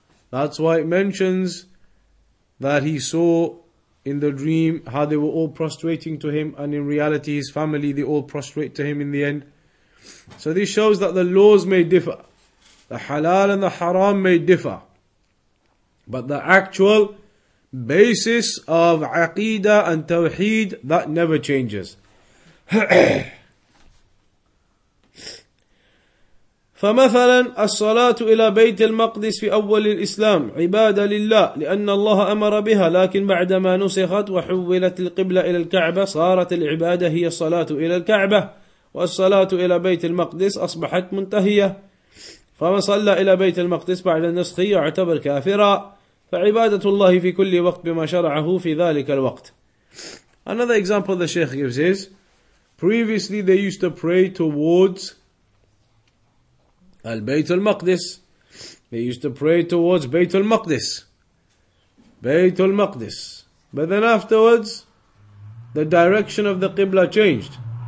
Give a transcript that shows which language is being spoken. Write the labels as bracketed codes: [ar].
[en] That's why it mentions that he saw in the dream how they were all prostrating to him, and in reality his family, they all prostrate to him in the end. So this shows that the laws may differ. The halal and the haram may differ. But the actual basis of aqidah and tawheed, that never changes. [ar] فمثلا الصلاة إلى بيت المقدس في أول الإسلام عبادة لله لأن الله أمر بها لكن بعدما نسخت وحولت القبلة إلى الكعبة صارت العبادة هي الصلاة إلى الكعبة والصلاة إلى بيت المقدس أصبحت منتهية فمن صلى إلى بيت المقدس بعد النسخ يعتبر كافرا فعبادة الله في كل وقت بما شرعه في ذلك الوقت. [en] Another example the Sheikh gives is, previously they used to pray towards Al-Bayt al-Maqdis. They used to pray towards Bayt al-Maqdis. Bayt al-Maqdis. But then afterwards, the direction of the Qibla changed.